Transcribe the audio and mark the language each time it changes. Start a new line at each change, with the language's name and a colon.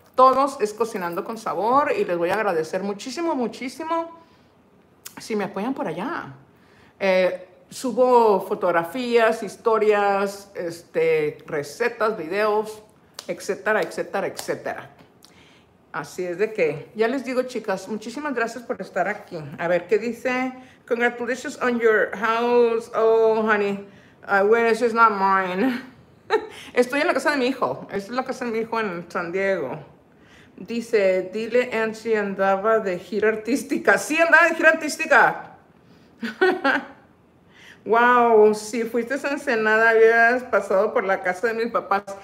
Spanish: Todos es Cocinando con Sabor y les voy a agradecer muchísimo, muchísimo si me apoyan por allá. Subo fotografías, historias, recetas, videos, etcétera, etcétera, etcétera. Así es de que, ya les digo, chicas, muchísimas gracias por estar aquí. A ver, ¿qué dice?
English: Congratulations on your house. Oh, honey, I wish it's not mine.
Spanish: Estoy en la casa de mi hijo. Esta es la casa de mi hijo en San Diego. Dice, dile a Angie andaba de gira artística. Sí, andaba de gira artística. Wow, si fuiste a Ensenada, habías pasado por la casa de mis papás.